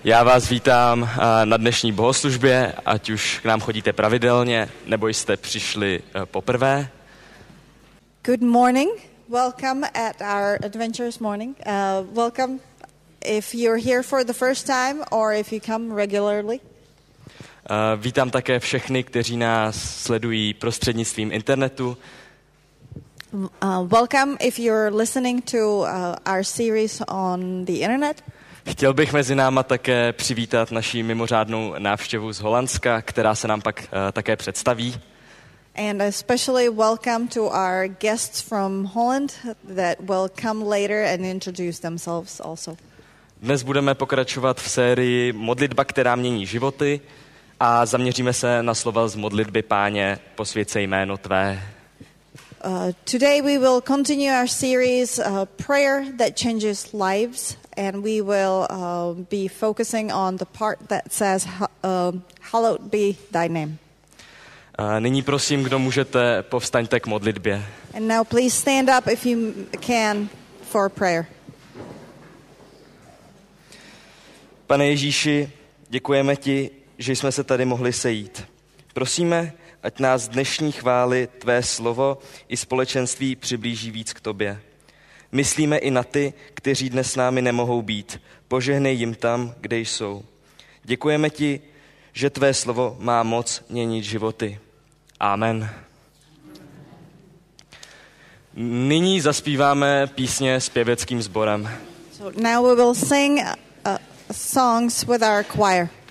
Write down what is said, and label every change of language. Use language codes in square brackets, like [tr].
[cs] Já vás vítám na dnešní bohoslužbě, ať už k nám chodíte pravidelně, nebo jste přišli poprvé. [en] Good morning. Welcome at our adventurous morning. Welcome if you're here for the first time or if you come regularly. [cs] Vítám také všechny, kteří nás sledují prostřednictvím internetu. [en] Welcome if you're listening to our series on the internet. [cs] Chtěl bych mezi náma také přivítat naši mimořádnou návštěvu z Holandska, která se nám pak také představí. [en] And especially welcome to our guests from Holland that will come later and introduce themselves also. [cs] Dnes budeme pokračovat v sérii Modlitba, která mění životy, a zaměříme se na slova z modlitby Páně, posvěť se jméno tvé. [en] Today we will continue our series Prayer that changes lives, and we will be focusing on the part that says hallowed be thy name. [cs] Nyní prosím, kdo můžete, povstaňte k modlitbě. [en] And now please stand up if you can for prayer. [cs] Pane Ježíši, děkujeme ti, že jsme se tady mohli sejít. Prosíme, ať nás dnešní chvály, tvé slovo i společenství přiblíží víc k tobě. Myslíme i na ty, kteří dnes s námi nemohou být. Požehnej jim tam, kde jsou. Děkujeme ti, že tvé slovo má moc měnit životy. Amen. Nyní zaspíváme písně s pěveckým sborem. [en] So now we will sing songs with our choir.